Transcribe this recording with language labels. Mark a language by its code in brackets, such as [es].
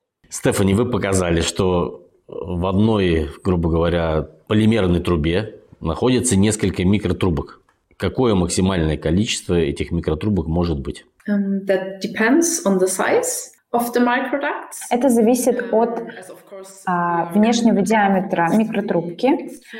[ru] Стефани, вы показали, что в одной, грубо говоря, полимерной трубе находится несколько микротрубок. Какое максимальное количество этих микротрубок может быть? [en] That depends on the size of the microducts. [ru] Это зависит от внешнего диаметра микротрубки.